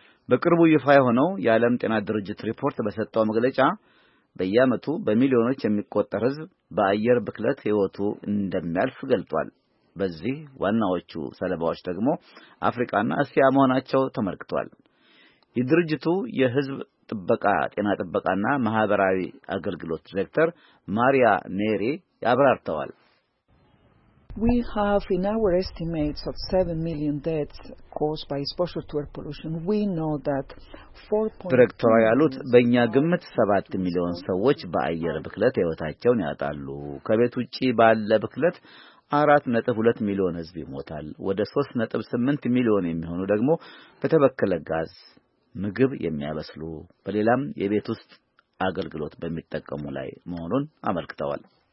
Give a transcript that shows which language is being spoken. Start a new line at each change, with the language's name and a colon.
Amharic: በቅርቡ ይፋ የሆነው የዓለም ጤና ድርጅት ሪፖርት በሰጠው መግለጫ በየዓመቱ በሚሊዮኖች የሚቆጠር ሕዝብ በአየር ብክለት ሕይወቱ እንደሚያልፍ ገልጧል። በዚህ ዋናዎቹ ሰለባዎች ደግሞ አፍሪካና እስያ መሆናቸው ተመርክቷል። የድርጅቱ የህዝብ ጥበቃ ጤና ጥበቃና ማህበራዊ አገልግሎት ዳይሬክተር ማሪያ ኔሪ ያብራርተዋል።
English: We have in our estimates of 7 million deaths caused by exposure to air pollution. We know that 4.0
Amharic: ዳይሬክተሩ ያሉት በእኛ ግምት 7 ሚሊዮን ሰዎች በአየር ብክለት ህይወታቸውን ያጣሉ። ከቤት ውጪ ባለ ብክለት 4.2 ሚሊዮን ህዝብ ይሞታል። ወደ 3.8 ሚሊዮን የሚሆኑ ደግሞ በተበከለ ጋዝ ምግብ የሚያበስሉ በሌላም የቤት ውስጥ አገልግሎት በሚጠቀሙ ላይ መሆኑን አመልክተዋል።